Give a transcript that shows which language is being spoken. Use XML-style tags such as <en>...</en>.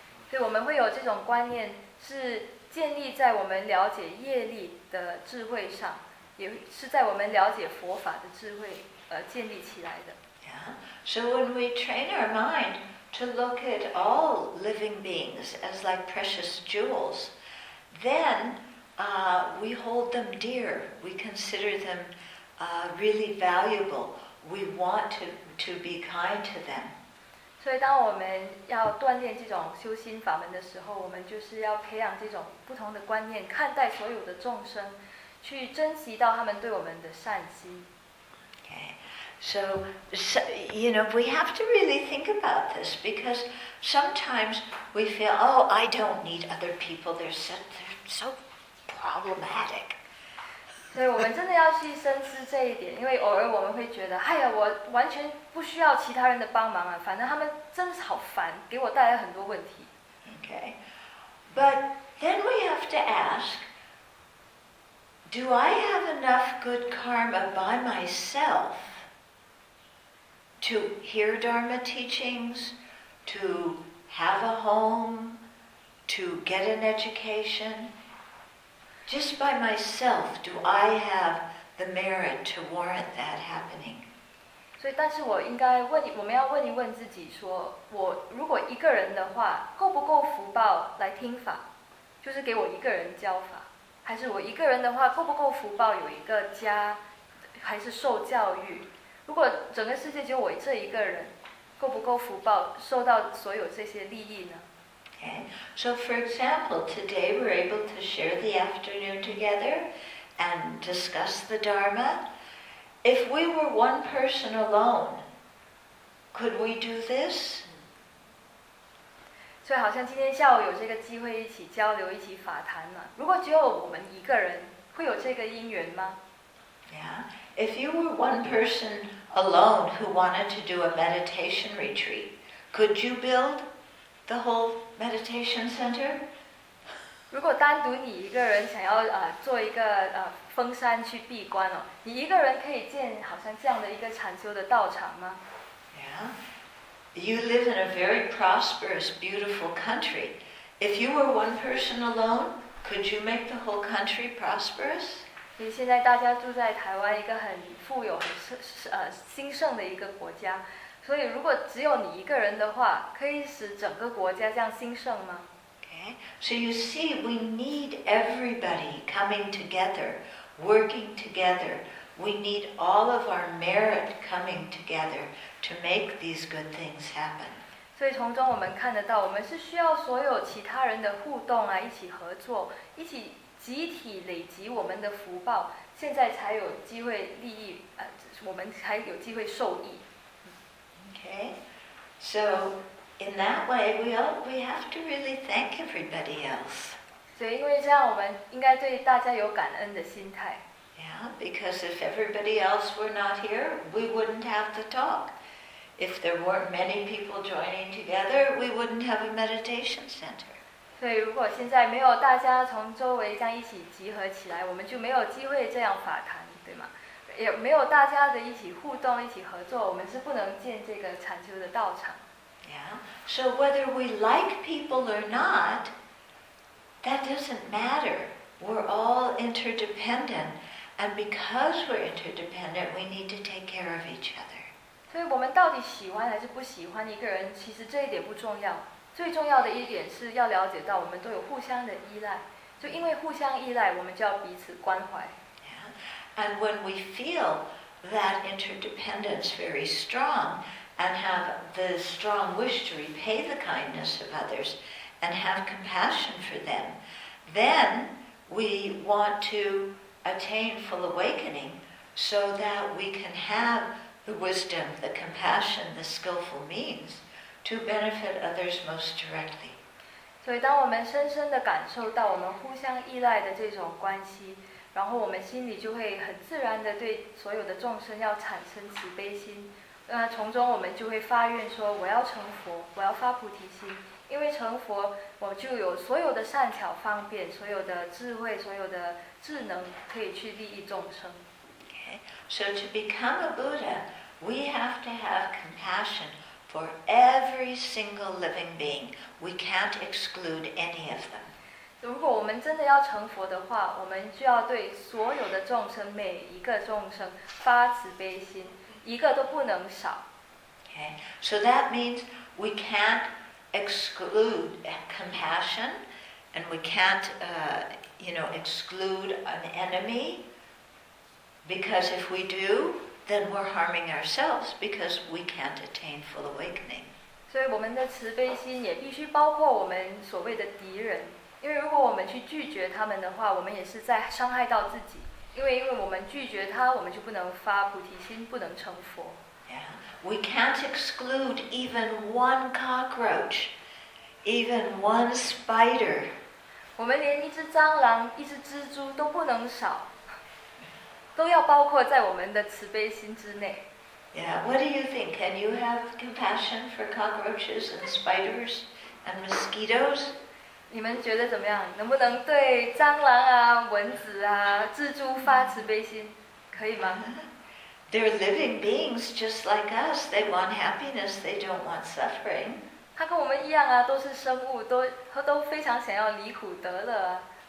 <zh>所以我们会有这种观念是建立在我们了解业力的智慧上，也是在我们了解佛法的智慧而建立起来的。</zh> <en>So when we train our mind to look at all living beings as like precious jewels, then we hold them dear. We consider them really valuable. We want to be kind to them.</en> <zh>所以当我们要锻炼这种修心法门的时候，我们就是要培养这种不同的观念，看待所有的众生，去珍惜到他们对我们的善心。</zh> <en>So, you know, we have to really think about this because sometimes we feel, oh, I don't need other people. They're so problematic.</en> <zh>对，我们真的要去深思这一点，因为偶尔我们会觉得，哎呀，我完全不需要其他人的帮忙啊，反正他们真是好烦，给我带来很多问题。</zh> <en>Okay. But then we have to ask, do I have enough good karma by myself? To hear Dharma teachings, to have a home, to get an education. Just by myself, do I have the merit to warrant that happening?</en> <zh>所以，但是我应该问，我们要问一问自己说，我如果一个人的话，够不够福报来听法？就是给我一个人教法，还是我一个人的话，够不够福报有一个家，还是受教育？如果整个世界就我这一个人，够不够福报受到所有这些利益呢？</zh> <en>Okay. So for example, today we're able to share the afternoon together and discuss the Dharma. If we were one person alone, could we do this?</en> <zh>所以好像今天下午有这个机会一起交流一起法谈嘛，如果只有我们一个人，会有这个因缘吗？</zh> <en>Yeah. If you were one person alone who wanted to do a meditation retreat, could you build the whole meditation center?</en> <zh>如果单独你一个人想要做一个封山去闭关哦，你一个人可以建好像这样的一个禅修的道场吗？</zh> <en>Yeah. You live in a very prosperous, beautiful country. If you were one person alone, could you make the whole country prosperous?</en> <zh>所以现在大家住在台湾一个很富有很兴盛的一个国家，所以如果只有你一个人的话，可以使整个国家这样兴盛吗？</zh> <en>Okay. So you see, we need everybody coming together, working together. We need all of our merit coming together to make these good things happen.</en> <zh>所以从中我们看得到，我们是需要所有其他人的互动啊，一起合作，一起集体累积我们的福报，现在才有机会利益，我们才有机会受益。</zh> <en>Okay, so in that way, we have to really thank everybody else.</en> <zh>所以因为这样，我们应该对大家有感恩的心态。</zh> <en>Yeah, because if everybody else were not here, we wouldn't have the talk. If there weren't many people joining together, we wouldn't have a meditation center.</en> <zh>对，如果现在没有大家从周围这样一起集合起来，我们就没有机会这样法谈，对吗？也没有大家的一起互动、一起合作，我们是不能建这个禅修的道场。</zh> <en>Yeah. So whether we like people or not, that doesn't matter. We're all interdependent, and because we're interdependent, we need to take care of each other.</en> <zh>所以我们到底喜欢还是不喜欢一个人，其实这一点不重要。最重要的一点是要了解到我们都有互相的依赖，就因为互相依赖，我们就要彼此关怀。</zh> <en>Yeah. And when we feel that interdependence very strong and have the strong wish to repay the kindness of others and have compassion for them, then we want to attain full awakening so that we can have the wisdom, the compassion, the skillful means. To benefit others most directly.</en> <zh>所以当我们深深地感受到我们互相依赖的这种关系，然后我们心里就会很自然地对所有的众生要产生慈悲心，从中我们就会发愿说，我要成佛，我要发菩提心，因为因为成佛，我就有所有的善巧方便，所有的智慧，所有的智能，可以去利益众生。</zh> <en>So to become a Buddha, we have to have compassion for every single living being. We can't exclude any of them.</en> <zh>如果我们真的要成佛的话，我们就要对所有的众生，每一个众生发慈悲心，一个都不能少。</zh> <en>Okay. So that means we can't exclude compassion, and we can't, exclude an enemy. Because if we do, then we're harming ourselves because we can't attain full awakening.</en> <zh>所以我们的慈悲心也必须包括我们所谓的敌人，因为如果我们去拒绝他们的话，我们也是在伤害到自己。因为我们拒绝他，我们就不能发菩提心，不能成佛。</zh> <en>Yeah, we can't exclude even one cockroach, even one spider.</en> <zh>我们连一只蟑螂、一只蜘蛛都不能少。都要包括在我们的慈悲心之内。</zh> <en>Yeah, what do you think? Can you have compassion for cockroaches and spiders and mosquitoes?</en> <zh>你们觉得怎么样？能不能对蟑螂啊、蚊子啊、蜘蛛发慈悲心？可以吗？</zh> <en>They're living beings just like us. They want happiness. They don't want suffering.</en> <zh>他跟我们一样啊，都是生物，都非常想要离苦得乐啊。</zh>